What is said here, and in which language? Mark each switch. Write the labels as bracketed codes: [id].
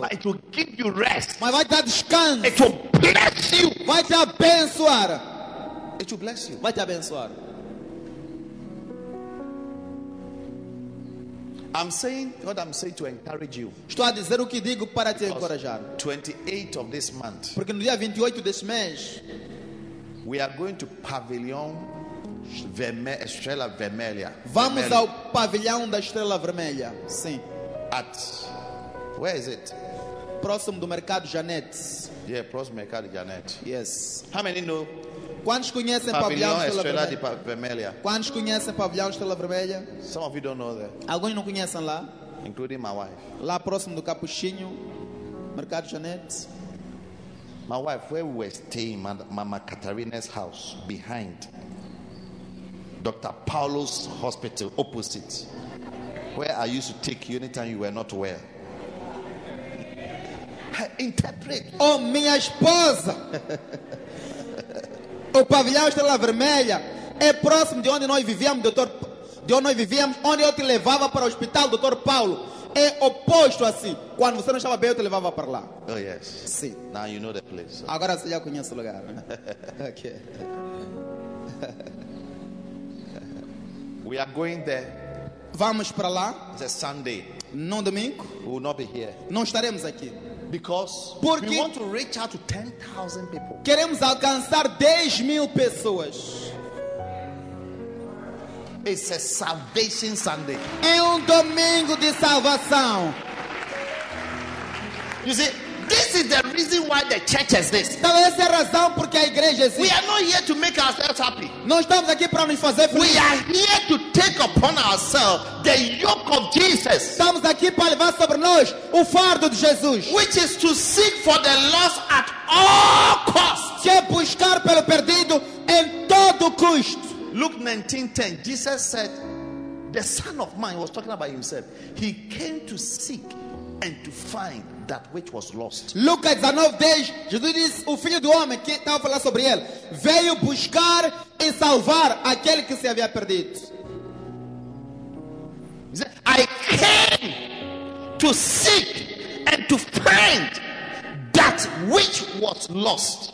[en] But it will give you rest. [pt] Mas vai te dar descanso. [en] It will bless you. [pt] Vai te abençoar. [en] It will bless you. [pt] Vai te abençoar. [en] I'm saying what I'm saying to encourage you. [pt] Estou a dizer o que digo para te encorajar. [en] 28 of this month. [pt] Porque no dia 28 deste mês, [en] we are going to Pavilion Estrela Vermelha. [pt] Vamos ao pavilhão da Estrela Vermelha. Sim. [en] At where is it? [pt] Próximo do Mercado Janet. Yeah, próximo Mercado Janet. [en] Yes. How many know? [pt] Quantos conhecem Pavilhão Estrela Vermelha? Quantos conhecem Pavilhão Estrela Vermelha? [en] Some of you don't know there. [pt] Alguns não conhecem lá? [en] Including my wife. [pt] Lá próximo do Capuchinho, Mercado Janet. [en] My wife, where we were staying, Mama Catarina's house, behind Dr. Paulo's hospital, opposite, where I used to take you anytime you were not well. interpret. [pt] Oh, minha esposa. O pavilhão Estrela Vermelha é próximo de onde nós vivíamos, doutor. De onde nós vivíamos, onde eu te levava para o hospital, doutor Paulo. É oposto assim. Quando você não estava bem, eu te levava para lá. [en] Oh, yes. [pt] Sim. [en] Now you know the place. So. [pt] Agora você já conhece o lugar. Ok. [en] We are going there. [pt] Vamos para lá. [en] It's a Sunday. [pt] No domingo. [en] We will not be here. [pt] Não estaremos aqui. [en] Because [pt] porque [en] we want to reach out to 10,000 people. [pt] Queremos alcançar 10 mil pessoas. [en] It's a salvation Sunday. [pt] É domingo de salvação. [en] You see, this is the reason why the church exists. [pt] Então essa é a razão porque a igreja existe. [en] We are not here to make ourselves happy. [pt] Nós estamos aqui para nos fazer feliz. [en] We are here to take upon ourselves the yoke of Jesus. [pt] Estamos aqui para levar sobre nós o fardo de Jesus. [en] Which is to seek for the lost at all costs. [pt] Que é buscar pelo perdido em todo custo. [en] Luke 19:10, Jesus said, the Son of Man, he was talking about himself, he came to seek and to find that which was lost. [pt] Lucas 19:10, Jesus disse, o filho do homem, que estava a falar sobre ele, veio buscar e salvar aquele que se havia perdido. [en] He said, I came to seek and to find that which was lost.